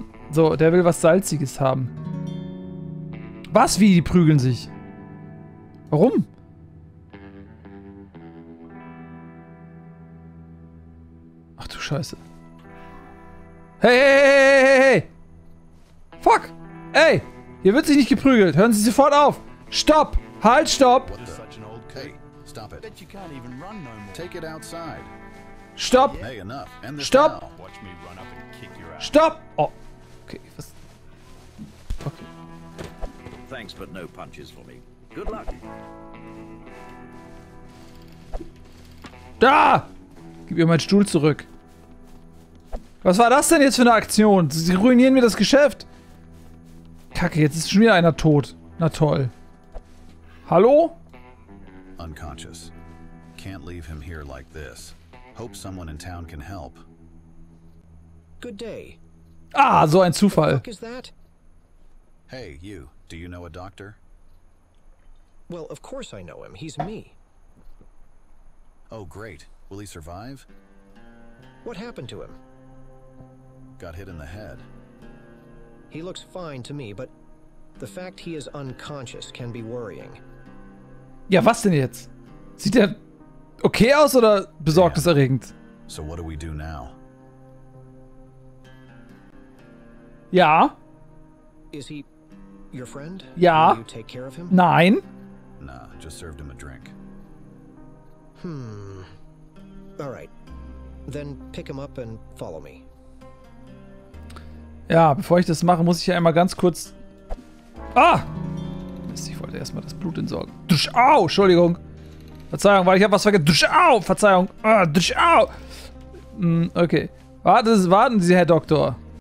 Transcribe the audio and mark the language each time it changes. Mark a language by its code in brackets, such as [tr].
[de] So, der will was Salziges haben. Was? Wie? Die prügeln sich. Warum? Ach du Scheiße. Hey! Fuck! Ey! Hier wird sich nicht geprügelt. Hören Sie sofort auf! Stopp! Halt, stopp! [en] Stop it. You can't even run no more. Take it outside. Stop. Hey, enough. End this Stop. Now. Watch me run up and kick your ass. Stop. Oh. Okay. Was? Okay. Thanks, but no punches for me. Good luck. [de] Da! Gib mir meinen Stuhl zurück. Was war das denn jetzt für eine Aktion? Sie ruinieren mir das Geschäft. Kacke, jetzt ist schon wieder einer tot. Na toll. Hallo? [en] Unconscious. Can't leave him here like this. Hope someone in town can help. Good day. [de] Ah, so ein Zufall. [en] What is that? Hey, you. Do you know a doctor? Well, of course I know him. He's me. Oh, great. Will he survive? What happened to him? Got hit in the head. He looks fine to me, but the fact he is unconscious can be worrying. [de] Ja, was denn jetzt? Sieht er okay aus oder besorgniserregend? [en] So what do we do now? [de] Ja. [en] Is he your friend? [de] Ja. [en] Will you take care of him? [de] Nein. [en] Nah, just served him a drink. Hmm. All right. Then pick him up and follow me. [de] Ja, bevor ich das mache, muss ich ja einmal ganz kurz... Ah! Ich wollte erstmal das Blut entsorgen. Dusch, au! Entschuldigung. Verzeihung, weil ich habe was vergessen. Dusch, au! Verzeihung. Ah, dusch, au! Okay. Warten Sie, Herr Doktor.